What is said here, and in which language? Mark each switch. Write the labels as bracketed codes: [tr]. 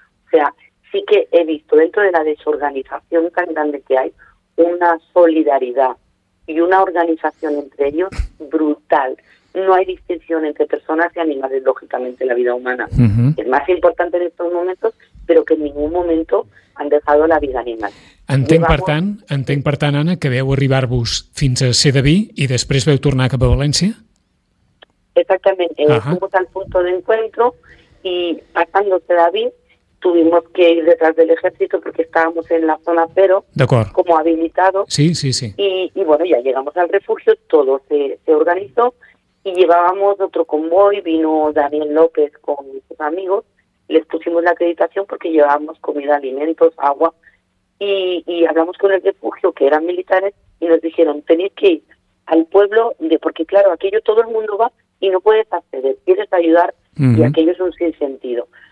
[es] O sea, sí que he visto dentro de la desorganización tan grande que hay una solidaridad y una organización entre ellos brutal. No hay distinción entre personas y animales, lógicamente, la vida humana. Uh-huh. Es más importante en estos momentos, pero que en ningún momento han dejado la vida animal. [ca] Entenc, per tant, Anna, que veu arribar-vos fins a Sedaví i després veu tornar cap a València? [es] Exactamente. Fuimos al punto de encuentro y pasando Sedaví tuvimos que ir detrás del ejército porque estábamos en la zona cero, [ca] d'acord, [es] como habilitado. Sí, sí, sí. Y bueno, ya llegamos al refugio, todo se organizó. Y llevábamos otro convoy, vino Daniel López con sus amigos, les pusimos la acreditación porque llevábamos comida, alimentos, agua, y hablamos con el refugio, que eran militares, y nos dijeron, tenéis que ir al pueblo, porque claro, aquello todo el mundo va y no puedes acceder, quieres ayudar, uh-huh, y aquello es un sinsentido.